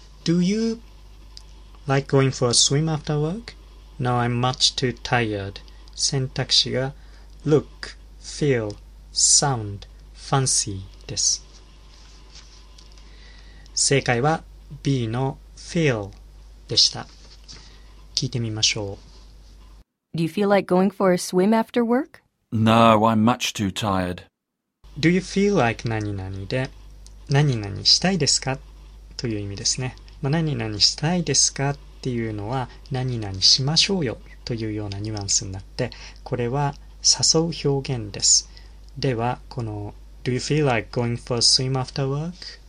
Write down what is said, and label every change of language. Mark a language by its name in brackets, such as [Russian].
[English] Do you like going for a swim after work? No, I'm much too tired. [Japanese] 選択肢が look, feel, sound, fancy です。正解は B の feel でした。聞いてみましょう。 [English] Do you feel like going for a swim after work? No, I'm much too tired. Do you feel like [Japanese] 何々で何々したいですかという意味ですね。まあ、何々したいですかっていうのは何々しましょうよというようなニュアンスになって、これは誘う表現です。ではこの [English] Do you feel like going for a swim after work?